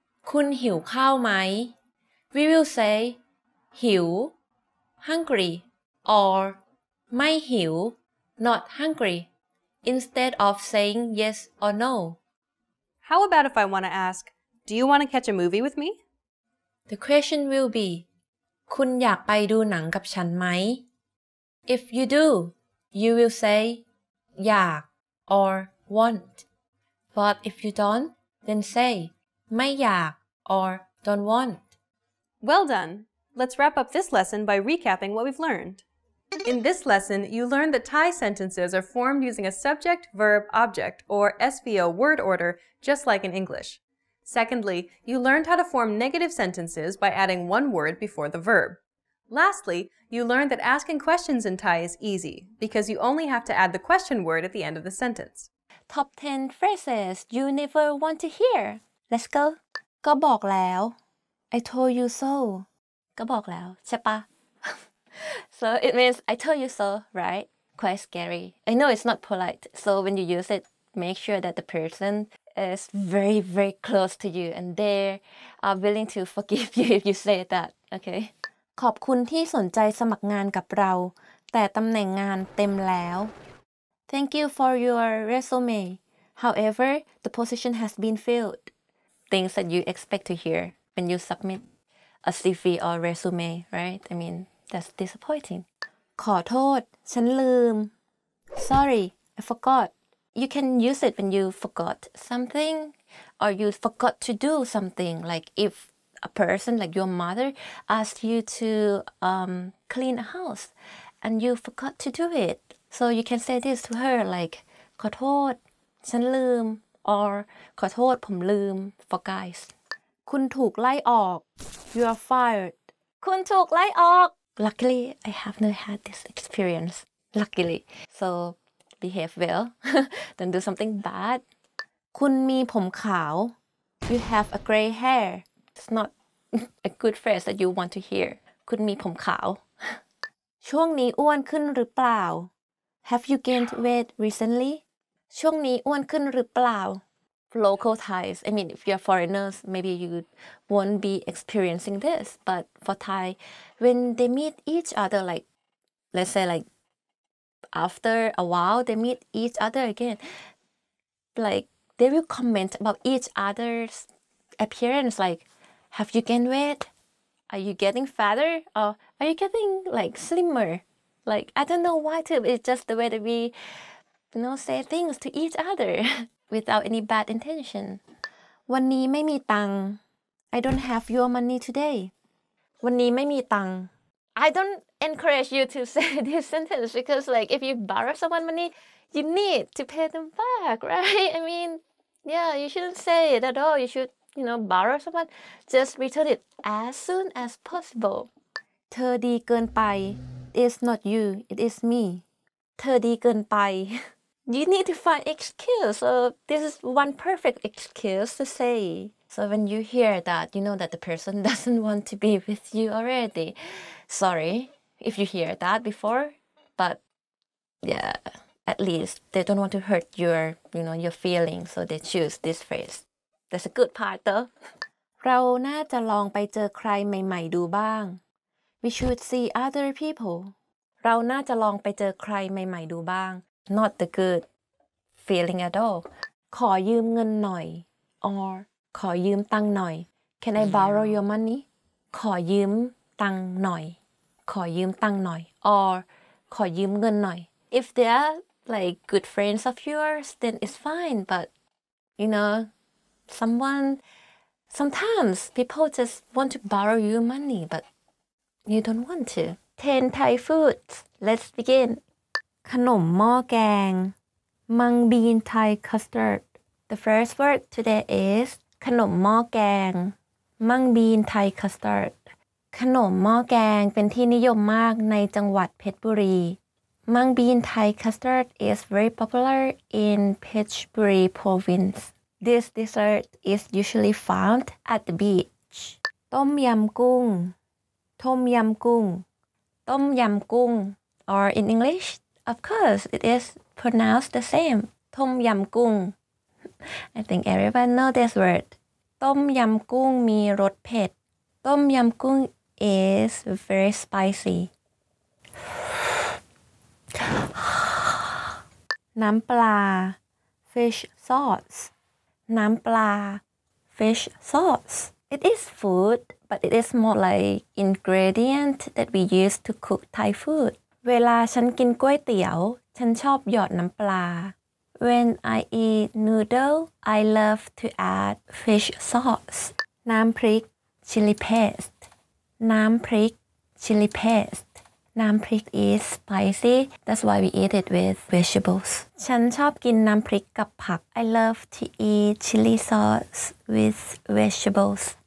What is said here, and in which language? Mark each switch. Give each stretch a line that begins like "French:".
Thai: คุณหิวข้าวไหม?
English: We will say หิว hungry or
Thai: ไม่หิว
English: not hungry instead of saying yes or no. How about if I want to ask, do you want to catch a movie with me? The question will be
Thai: คุณอยากไปดูหนังกับฉันไหม?
English: If you do, you will say อยาก or want. But if you don't,Then say,
Thai: ไม่อยาก
English: or don't want. Well done! Let's wrap up this lesson by recapping what we've learned. In this lesson, you learned that Thai sentences are formed using a subject, verb, object, or SVO word order, just like in English. Secondly, you learned how to form negative sentences by adding one word before the verb. Lastly, you learned that asking questions in Thai is easy, because you only have to add the question word at the end of the sentence. Top 10 phrases you never want to hear. Let's go.
Thai: ก็บอกแล้ว
English: I told you so.
Thai: ก็บอกแล้วใช่ปะ
English: So it means I told you so, right? Quite scary. I know it's not polite. So when you use it, make sure that the person is very, very close to you and they are willing to forgive you if you say that, okay?
Thai: ขอบคุณที่สนใจสมัครงานกับเราแต่ตำแหน่งงานเต็มแล้ว
English: Thank you for your resume. However, the position has been filled. Things that you expect to hear when you submit a CV or resume, right? I mean, that's disappointing.
Thai: ขอโทษ ฉันลืม
English: Sorry, I forgot. You can use it when you forgot something or you forgot to do something. Like if a person, like your mother, asked you to clean a house and you forgot to do it. So you can say this to her like
Thai: ขอโทษ ฉันลืม
English: or
Thai: ขอโทษ ผมลืม
English: for guys
Thai: คุณถูกไล่ออก
English: you are fired
Thai: คุณถูกไล่ออก
English: luckily I have never had this experience luckily so behave well don't do something bad
Thai: คุณมีผมขาว
English: you have a gray hair it's not a good phrase that you want to hear
Thai: คุณมีผมขาว ช่วงนี้อ้วนขึ้นหรือเปล่า
English: Have you gained weight recently?
Thai: ช่วงนี้อ้วนขึ้นหรือเปล่า?
English: Local Thais, I mean, if you're foreigners, maybe you won't be experiencing this. But for Thai, when they meet each other, like, let's say, like, after a while, they meet each other again. Like, they will comment about each other's appearance, like, have you gained weight? Are you getting fatter? Or are you getting, like, slimmer? Like, I don't know why too, but it's just the way that we, you know, say things to each other without any bad intention.
Thai: วันนี้ไม่มีตังค์.
English: I don't have your money today.
Thai: วันนี้ไม่มีตังค์.
English: I don't encourage you to say this sentence because, like, if you borrow someone money, you need to pay them back, right? I mean, yeah, you shouldn't say it at all. You should, you know, borrow someone, just return it as soon as possible.
Thai: เธอดีเกินไป
English: It's not you, it is me.
Thai: เธอดีเกินไป
English: You need to find excuse. So this is one perfect excuse to say. So when you hear that, you know that the person doesn't want to be with you already. Sorry if you hear that before, but yeah, at least they don't want to hurt your, you know, your feelings. So they choose this phrase. That's a good part though.
Thai: เราน่าจะลองไปเจอใครใหม่ๆดูบ้าง
English: We should see other people.
Thai: เราน่าจะลองไปเจอใครใหม่ๆดูบ้าง
English: Not the good feeling at all.
Thai: ขอยืมเงินหน่อย
English: Or
Thai: ขอยืมตังหน่อย
English: Can I borrow your money?
Thai: ขอยืมตังหน่อย ขอยืมตังหน่อย Or ขอยืมเงินหน่อย
English: If they are like good friends of yours, then it's fine. But you know, sometimes people just want to borrow you money, but you don't want to. 10 Thai foods. Let's begin. ขนมหม้อแกง Mung bean Thai custard. The first word today is ขนมหม้อแกง Mung bean Thai custard.
Thai: ขนมหม้อแกงเป็นที่นิยมมากในจังหวัดเพชรบุรี
English: Mung bean Thai custard is very popular in Phetchaburi province. This dessert is usually found at the beach.
Thai: ต้มยำกุ้งต้มยำกุ้งต้มยำกุ้ง
English: or in English of course it is pronounced the same
Thai: ต้มยำกุ้ง
English: I think everyone know this word
Thai: ต้มยำกุ้งมีรสเผ็ดต้มยำกุ้ง
English: is very spicy
Thai: น้ำปลา fish sauce น้ำปลา
English: fish sauce it is foodBut it is more like ingredient that we use to cook Thai food.
Thai: เวลาฉันกินก๋วยเตี๋ยวฉันชอบหยอดน้ำปลา
English: When I eat noodle, I love to add fish sauce. น้ำพริก chili paste. น้ำพริก chili paste. น้ำพริก is spicy. That's why we eat it with vegetables.
Thai: ฉันชอบกินน้ำพริกกับผัก
English: I love to eat chili sauce with vegetables.